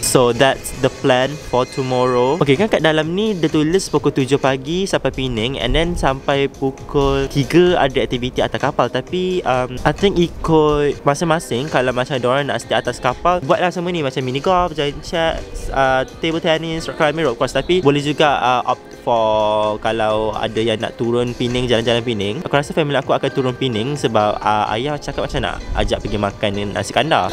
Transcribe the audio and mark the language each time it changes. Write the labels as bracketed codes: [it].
[en] So that's the plan for tomorrow. [ms] Okay, kan kat dalam ni dia tulis pukul 7 pagi sampai Penang [en] and then [ms] sampai pukul 3 ada activity atas kapal. Tapi [en] I think [ms] ikut masing-masing. Kalau macam diorang nak stay atas kapal, buatlah semua ni macam mini golf, giant chess, table tennis, rock climbing, rock course. Tapi boleh juga [en] opt for [ms] kalau ada yang nak turun Penang, jalan-jalan Penang. Aku rasa family aku akan turun Penang sebab ayah cakap macam nak ajak pergi makan nasi kandar.